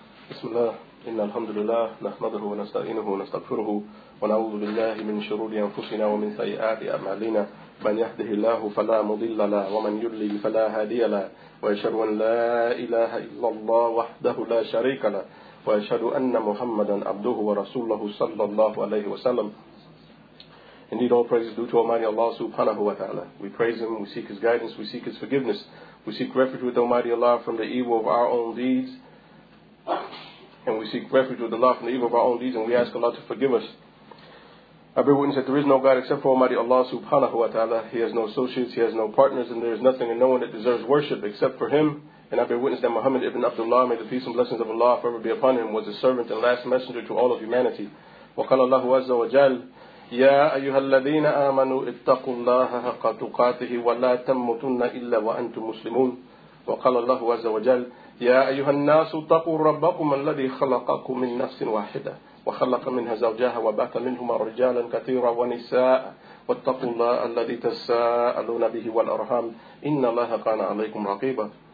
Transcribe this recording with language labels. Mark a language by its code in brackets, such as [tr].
[ar] بسم الله إن الحمد لله نحمده ونستعينه ونستغفره ونعوذ بالله من شرور أنفسنا ومن سيئات أعمالنا من يهده الله فلا مضل له ومن يضلل فلا هادي له وأشهد أن لا إله إلا الله وحده لا شريك له وأشهد أن محمدا عبده ورسوله صلى الله عليه وسلم. [en] Indeed, all praise is due to Almighty Allah subhanahu wa ta'ala. We praise Him, we seek His guidance, we seek His forgiveness. We seek refuge with Almighty Allah from the evil of our own deeds. And we seek refuge with Allah from the evil of our own deeds, and we ask Allah to forgive us. I bear witness that there is no God except for Almighty Allah subhanahu wa ta'ala. He has no associates, He has no partners, and there is nothing and no one that deserves worship except for Him. And I bear witness that Muhammad ibn Abdullah, may the peace and blessings of Allah forever be upon him, was the servant and last messenger to all of humanity. [ar] Wa qala Allahu azza wa jal, يا أيها الذين آمنوا اتقوا الله حق تقاته ولا تموتن إلا وأنتم مسلمون وقال الله عز وجل يا أيها الناس اتقوا ربكم الذي خلقكم من نفس واحدة وخلق منها زوجها وبعث منهما رجالا كثيرا ونساء واتقوا الله الذي تساءلون به والأرحام إن الله كان عليكم رقيبا